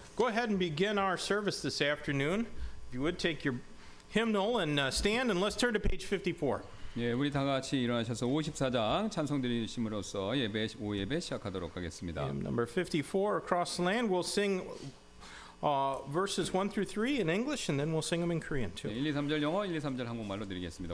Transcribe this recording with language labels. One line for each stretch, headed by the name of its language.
English: go ahead and begin our service this afternoon. If you would, take your hymnal and stand, and let's turn to page 54.
Korean: 예, 우리 다 같이 일어나셔서 54장 찬송 드리심으로써 예배 5예배 시작하도록 하겠습니다.
English: Hymn number 54, Across the Land. We'll sing verses 1 through 3 in English, and then we'll sing them in Korean too.
Korean: 예, 1, 2, 3절 영어, 1, 2, 3절 한국말로 드리겠습니다.